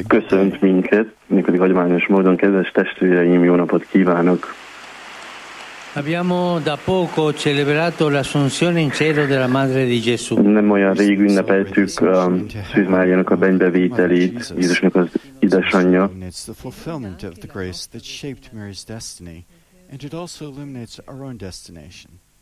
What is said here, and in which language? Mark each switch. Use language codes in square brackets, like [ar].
[hu] köszönt minket, mikor hagyományos módon, kedves testvéreim, jó napot kívánok! [it] Abbiamo da poco celebrato l'Assunzione in cielo della Madre di Gesù. [hu] Nem olyan rég ünnepeltük a Szűz Máriának a bennbevételét, Jézusnak az édesanyja. [en] It's the fulfillment of the grace that shaped Mary's destiny, and it also illuminates our own destination.